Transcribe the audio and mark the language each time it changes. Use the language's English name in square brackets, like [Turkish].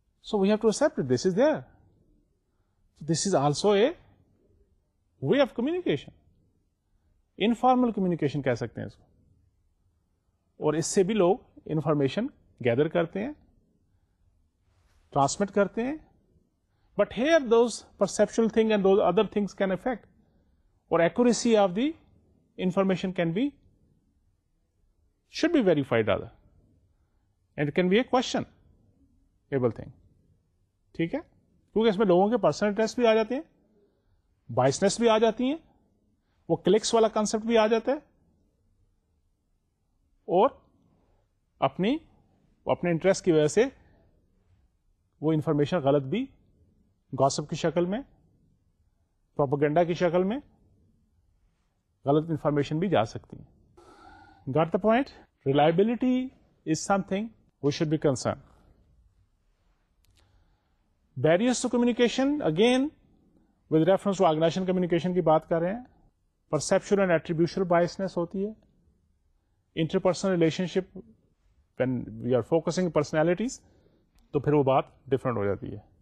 [English] so we have to accept this is there, this is also a way of communication, informal communication [Urdu] کہہ سکتے ہیں اس کو, اور اس سے بھی لوگ انفارمیشن گیدر کرتے ہیں, [English] Transmit کرتے ہیں. But here those perceptual thing and those other things can affect, اور accuracy of the information can be should be verified rather, and can be a questionable thing. [Urdu] ٹھیک ہے, کیونکہ اس میں لوگوں کے پرسنل انٹرسٹ بھی آ جاتے ہیں, بائسنس بھی آ جاتی ہیں, وہ کلکس والا کنسپٹ بھی آ جاتا ہے, اور اپنے انٹرسٹ کی وجہ سے وہ انفارمیشن غلط بھی گاسپ کی شکل میں, پروپاگنڈا کی شکل میں غلط انفارمیشن بھی جا سکتی ہیں. [English] Got the point? Reliability is something we should be concern. Barriers to communication, again with reference to organization communication [Urdu] کی بات کر رہے ہیں, [English] perception and attributional biases ہوتی ہے, interpersonal relationship when we are focusing personalities [Urdu] تو پھر وہ بات ڈفرنٹ ہو جاتی ہے.